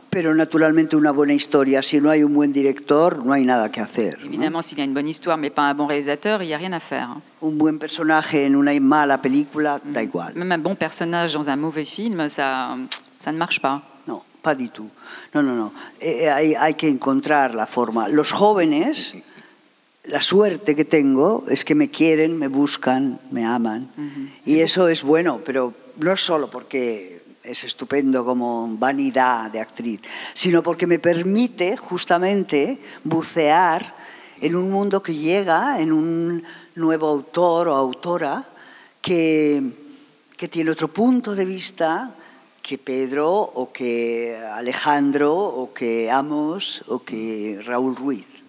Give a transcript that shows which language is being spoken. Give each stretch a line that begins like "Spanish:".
Spanish: Pero naturalmente una buena historia, si no hay un buen director, no hay nada que hacer.
French: Évidemment, s'il y a une bonne histoire mais pas un bon réalisateur, il y a rien à faire.
Spanish: Un buen personaje en una mala película, da igual.
French: Même un bon personnage dans un mauvais film, ça ne marche pas. Non, pas du tout. No.
Spanish: Hay que encontrar la forma. Los jóvenes, la suerte que tengo es que me quieren, me buscan, me aman. Uh-huh. Y eso es bueno, pero no solo porque es estupendo como vanidad de actriz, sino porque me permite justamente bucear en un mundo que llega, en un nuevo autor o autora que tiene otro punto de vista que Pedro o que Alejandro o que Amos o que Raúl Ruiz.